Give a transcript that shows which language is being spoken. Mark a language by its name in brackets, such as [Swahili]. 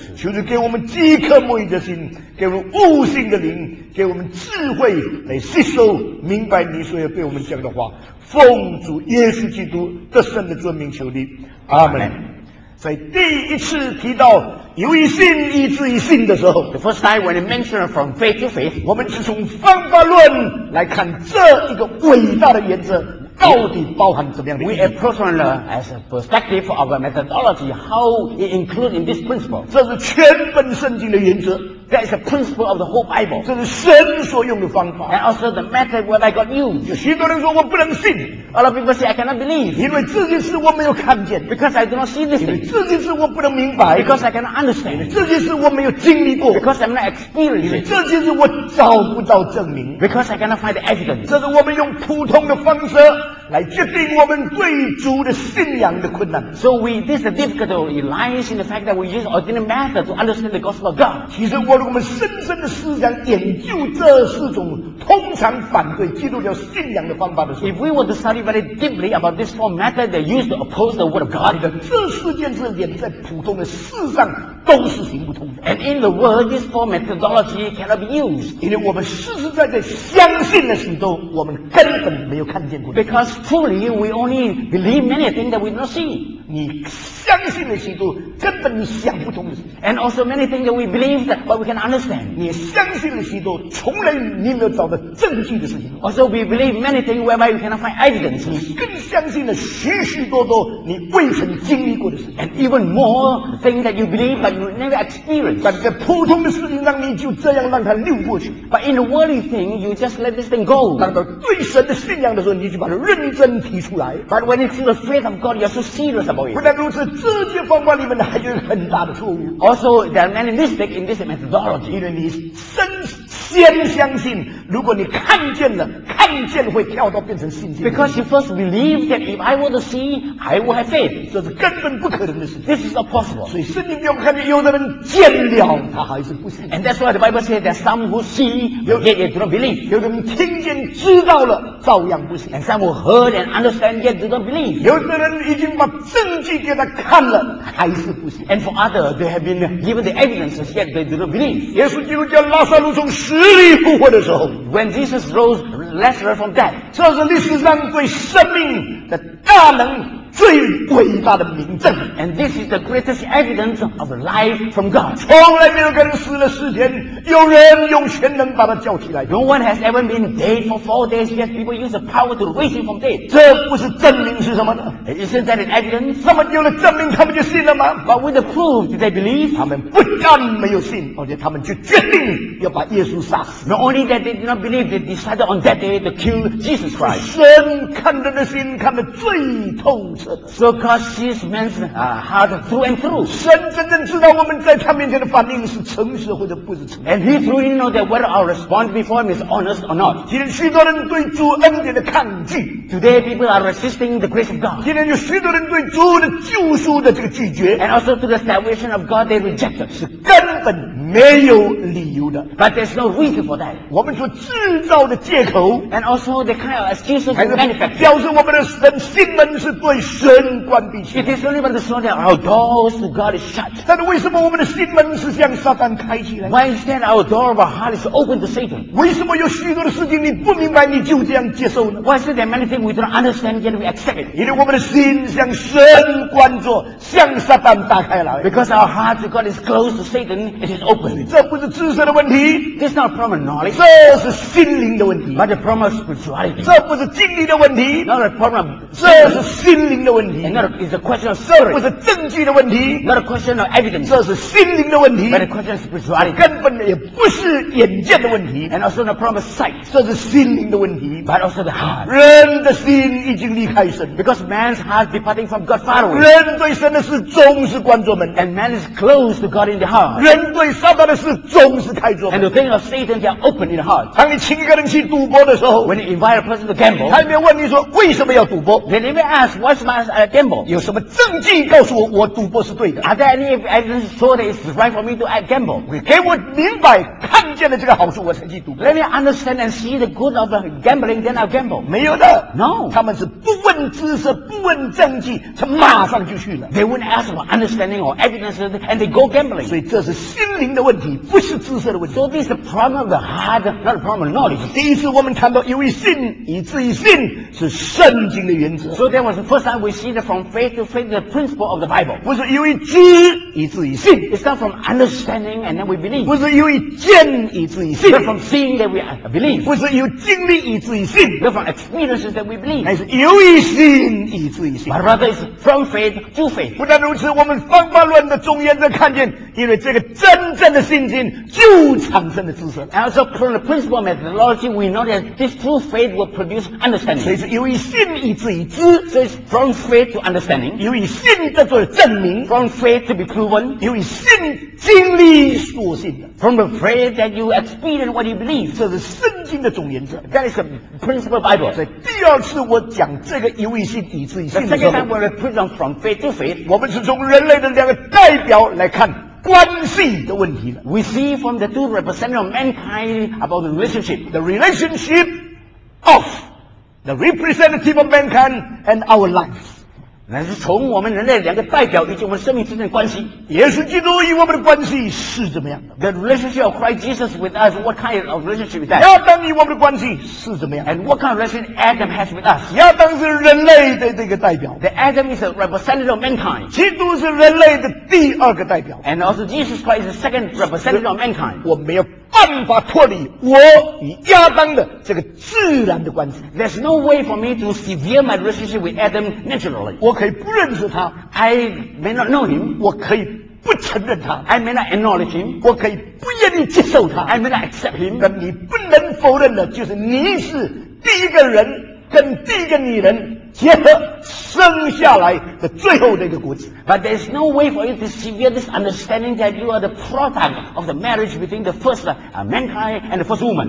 [Chinese] 求主给我们饥渴慕义的心，给我们悟性的灵，给我们智慧来吸收明白你所要对我们讲的话。奉主耶稣基督得胜的尊名求你，阿们。在第一次提到由于信以至于信的时候 [English] The first time when he mentioned from faith to faith， [Chinese] 我们是从方法论来看这一个伟大的原则到底包含怎么样的 [English] ？We approach it as a perspective of a methodology. How it includes in this principle? [Chinese] 这是全本圣经的原则。 [English] That is the principle of the whole Bible. [Chinese] 这是神所用的方法。 [English] And also the method what I got used. [Chinese] 有许多人说我不能信。 [English] A lot of people say I cannot believe. [Chinese] 因为这件事我没有看见。 [English] Because I do not see this thing. [Chinese] 这件事我不能明白。 [English] Because I cannot understand. [Chinese] 这件事我没有经历过。 [English] Because I'm not experienced. [Chinese] 这件事我找不到证明。 [English] Because I cannot find the evidence. [Chinese] 这是我们用普通的方式来决定我们对主的信仰的困难。 [English] So we, this is the difficulty lies in the fact that we use ordinary method to understand the gospel of God. [Chinese] 其实我如果我们深深的思想研究这四种通常反对基督教信仰的方法的时候 [English] If we were to study very deeply about this four method they used to oppose the word of God [Chinese] 这四件事连在普通的事上都是行不通的 [English] And in the world this four methodology cannot be used [Chinese] 因为我们实实在在相信的许多我们根本没有看见过 [English] Because fully we only believe many things that we do not see [Chinese] 你相信的许多根本想不通的 [English] And also many things that we believe that but we can understand [Chinese] 你相信的许多从来你没有找到证据的事情 [English] Also we believe many things whereby we cannot find evidence [Chinese] 你更相信了许许多多你未曾经历过的事情 [English] And even more things that you believe but you never experience [Chinese] 但在普通的事情上你就这样让它溜过去 [English] But in the worldly thing you just let this thing go [Chinese] 当到对神的信仰的时候你就把它认真提出来 [English] But when it's the faith of God you're so serious about it [Chinese] 不但如此这些方法里面还有很大的错误 [English] Also there are many mistakes in this methodology [Chinese] 因为你深先相信如果你看见了看见会跳到变成信心 [English] Because you first believe that if I were to see I will have faith [Chinese] 这是根本不可能的事 [English] This is not possible [Chinese] 所以圣经里面看见有的人见了他还是不信 [English] And that's why the Bible says that some who see yet do not believe [Chinese] 有的人听见知道了照样不信 [English] And some who heard and understand yet do not believe [Chinese] 有的人已经把证据给他看了还是不信 [English] And for others they have been given the evidences yet they do not believe [Chinese] 耶稣基督叫拉撒路从死里复活的时候 [English] When Jesus rose Lazarus from death [Chinese] 这是历史上对生命的大能最伟大的明证。 [English] And this is the greatest evidence of life from God. [Chinese] 从来没有跟死了四天，有人用全能把他叫起来。 [English] No one has ever been dead for four days, yet people use the power to raise him from dead. [Chinese] 这不是证明是什么呢？ [English] Isn't that an evidence? [Chinese] 他们有了证明，他们就信了吗？ [English] But with the proof, did they believe? [Chinese] 他们不但没有信，而且他们就决定要把耶稣杀死。 [English] Not only that they did not believe, they decided on that day to kill Jesus Christ. [Chinese] 神看人的心看得最透彻。 [English] So God sees man's heart through and through. [Chinese] 神真正知道我们在他面前的反应是诚实或者不是诚实。 [English] And He truly knows that whether our response before Him is honest or not. [Chinese] 今天许多人对主恩典的抗拒。 [English] Today people are resisting the grace of God. [Chinese] 今天有许多人对主的救赎的这个拒绝。 [English] And also to the salvation of God they reject. [Chinese] 是根本没有理由的。 [English] But there's no reason for that. [Chinese] 我们所制造的借口。 [English] And also the kind of excuses we manufacture. [Chinese] 表示我们的神心门是对。神关闭起 [English] 来。It is only by the sword that our doors to God is shut. [Chinese] 但为什么我们的心门是向撒旦开起来？ [English] Why is that our door of our heart is open to Satan? [Chinese] 为什么有许多的事情你不明白，你就这样接受呢？ [English] Why is there many things we don't understand yet we accept it? [Chinese] 因为我们的心向神关着，向撒旦打开来。 [English] Because our heart to God is closed to Satan, it is open. [Chinese] 这不是知识的问题。 [English] This is not a problem of knowledge. [Chinese] 这是心灵的问题。 [English] But a problem of spirituality. [Chinese] 这不是经历的问题。 [English] Not a problem of [Chinese] 这是心灵。 [English] Another is a question of spirit. [Chinese] 不是证据的问题。 [English] Not a question of evidence. [Chinese] 这是心灵的问题。 [English] But a question of spirituality. [Chinese] 根本也不是眼见的问题。 [English] And also not a problem of sight. [Chinese] 这是心灵的问题。 [English] But also the heart. [Chinese] 人的心已经离开神。 [English] Because man's heart departing from God far away. [Chinese] 人对神的事总是关着门。 [English] And man is closed to God in the heart. [Chinese] 人对撒旦的事总是开着门。 [English] And the things of Satan are open in the heart. [Chinese] 当你请一个人去赌博的时候。 [English] When you invite a person to gamble. [Chinese] 他没有问你说为什么要赌博。 [English] They never ask what's my gamble. [Chinese] 有什么证据告诉我我赌博是对的？ [English] Are there any evidence show that it's right for me to gamble? [Chinese] 给我明白看见了这个好处我才去赌博。 [English] Let me understand and see the good of gambling, then I'll gamble. [Chinese] 没有的。 [English] No. [Chinese] 他们是不问知识，不问证据，他马上就去了。 [English] They wouldn't ask for understanding or evidence, and they go gambling. [Chinese] 所以这是心灵的问题，不是知识的问题。 [English] So this is the problem of the heart, not a problem of knowledge. [Chinese] 第一次我们谈到由于信以至于信是圣经的原则。 [English] So that was the first time we see that from faith to faith the principle of the Bible. [Chinese] 不是由于知以至于信。 [English] It's not from understanding and then we believe. [Chinese] 不是由于见以至于信。 [English] But from seeing that we believe. [Chinese] 不是由经历以至于信。 [English] But from experiences that we believe. [Chinese] 乃是由于信以至于信。 [English] But rather it's from faith to faith. [Chinese] 不但如此，我们方法论的中间的看见，因为这个真正的信心就产生了知识。 [English] And also from the principle of methodology, we know that this true faith will produce understanding. [Chinese] 所以是由于信以至于知。 [English] So it's from faith to understanding. [Chinese] 由于信叫做证明。 [English] From faith to be proven. [Chinese] 由于信经历所信的。 [English] From the faith that you experience what you believe. [Chinese] 这是圣经的总原则。 [English] That is the principle of Bible. [Chinese] 所以第二次我讲这个由于信以至于信的时候。 [English] The second time we preach on from faith to faith. [Chinese] 我们是从人类的两个代表来看。关系的问题了。 [English] We see from the two representatives of mankind about the relationship. The relationship of the representative of mankind and our lives. [Chinese] 那是从我们人类两个代表以及我们生命之间的关系。耶稣基督与我们的关系是怎么样的？ [English] The relationship of Christ Jesus with us, what kind of relationship is that? [Chinese] 亚当与我们的关系是怎么样的？ [English] And what kind of relationship Adam has with us? [Chinese] 亚当是人类的这个代表。 [English] The Adam is a representative of mankind. [Chinese] 基督是人类的第二个代表。 [English] And also Jesus Christ is the second representative of mankind. [Chinese] 我没有办法脱离我与亚当的这个自然的关系。 [English] There's no way for me to sever my relationship with Adam naturally. [Chinese] 我可以不认识他。 [English] I may not know him. [Chinese] 我可以不承认他。 [English] I may not acknowledge him. [Chinese] 我可以不愿意接受他。 [English] I may not accept him. [Chinese] 但你不能否认的就是你是第一个人跟第一个女人结合生下来的最后的一个果子。 [English] But there is no way for you to sever this understanding that you are the product of the marriage between the first mankind and the first woman.